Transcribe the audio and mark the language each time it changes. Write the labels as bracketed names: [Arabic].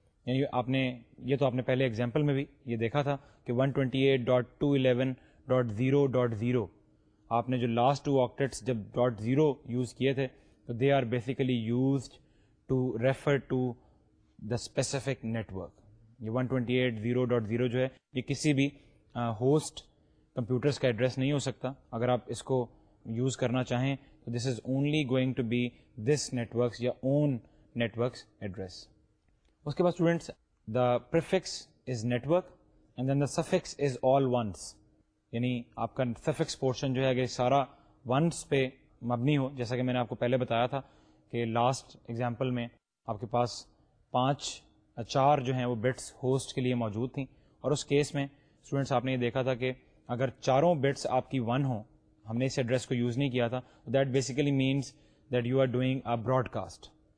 [Urdu] یعنی آپ نے یہ تو آپ نے پہلے ایگزامپل میں بھی یہ دیکھا تھا کہ 128.211.0.0 آپ نے جو لاسٹ ٹو آکٹیٹس جب ڈاٹ زیرو یوز کیے تھے تو [English] They are basically used to refer to the specific network. [Urdu] یہ 128.0.0 جو ہے یہ کسی بھی ہوسٹ کمپیوٹرس کا ایڈریس نہیں ہو سکتا, اگر آپ اس کو یوز کرنا چاہیں تو [English] This is only going to be this networks یا own networks address. [Urdu] اس کے بعد [English] Students the prefix is network and then the suffix is all ones. [Urdu] یعنی آپ کا سفکس پورشن جو ہے اگر سارا ونس پہ مبنی ہو, جیسا کہ میں نے آپ کو پہلے بتایا تھا کہ لاسٹ ایگزامپل میں آپ کے پاس پانچ چار جو ہیں وہ بٹس ہوسٹ کے لیے موجود تھیں, اور اس کیس میں اسٹوڈنٹس آپ نے یہ دیکھا تھا کہ اگر چاروں بٹس آپ کی ون ہوں, ہم نے اس ایڈریس کو یوز نہیں کیا تھا, [English] That basically means that you are doing a broadcast.